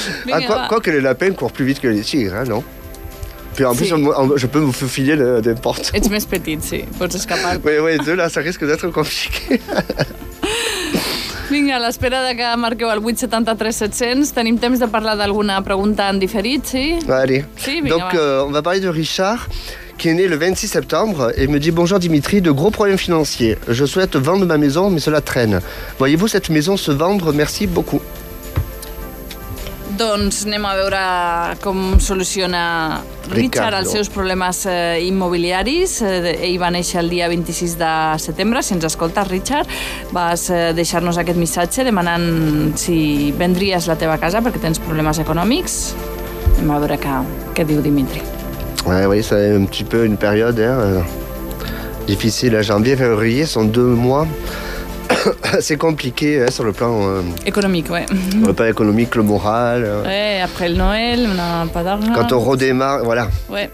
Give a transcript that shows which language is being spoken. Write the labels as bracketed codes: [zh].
[fr] Ah, quoi que les lapins courent plus vite que les tigres, hein, non? Puis en plus, je peux me faufiler n'importe. Et tu m'es petite, si, pour t'escapar. Oui, oui, deux là, ça risque d'être compliqué. [ca] Vinga, a l'espera que marqueu el 873-700, tenim temps de parlar d'alguna pregunta en diferit, sí? [fr] Allez. [ca] Sí, vinga, [fr] donc, on va parler de Richard, qui est né le 26 septembre et me dit « Bonjour Dimitri, de gros problèmes financiers. Je souhaite vendre ma maison, mais cela traîne. Voyez-vous cette maison se vendre? Merci beaucoup. » [ca] Doncs anem a veure com soluciona Richard els seus problemes immobiliaris. Ell va néixer el dia 26 de setembre. Si ens escoltes, Richard, vas deixar-nos aquest missatge demanant si vendries la teva casa perquè tens problemes econòmics. Anem a veure què diu Dimitri. [fr] Oui, c'est un petit peu une période difficile. Janvier, février sont deux mois... C'est compliqué hein, sur le plan... Économique, ouais. Sur le plan économique, le moral... Ouais, après le Noël, on n'a pas d'argent... Quand on redémarre, voilà. Ouais.